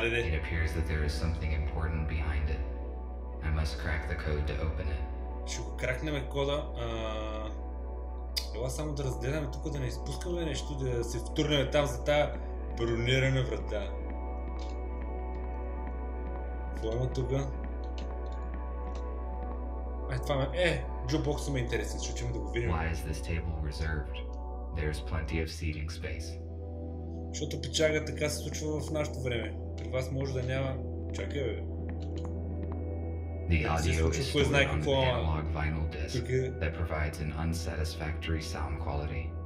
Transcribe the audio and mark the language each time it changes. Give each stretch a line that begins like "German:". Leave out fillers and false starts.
English: It appears that there is something important behind it. I must crack the code to open it.
Bulgarian: Ще го кракнем кода. Ела само да разгледаме тук, да не изпускаме нещо, да се втурнем там за тая бронирана врата. Какво има тук? Ай, това ме... джобокса ме интересен, защото има да го видим.
English: Why is this table reserved? There is plenty of seating space.
Bulgarian: Защото печага, така се случва в нашето време. При вас може да няма... Чакай, бе.
English: The audio is stored on an analog vinyl disc that provides an unsatisfactory sound quality.